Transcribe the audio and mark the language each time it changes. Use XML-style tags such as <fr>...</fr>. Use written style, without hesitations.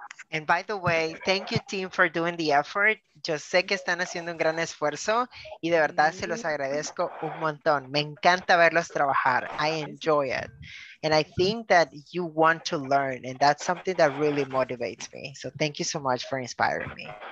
<en>And by the way, thank you team for doing the effort.</en> <es>Yo sé que están haciendo un gran esfuerzo y de verdad se los agradezco un montón. Me encanta verlos trabajar.</es> <en>I enjoy it. And I think that you want to learn and that's something that really motivates me. So thank you so much for inspiring me.</en>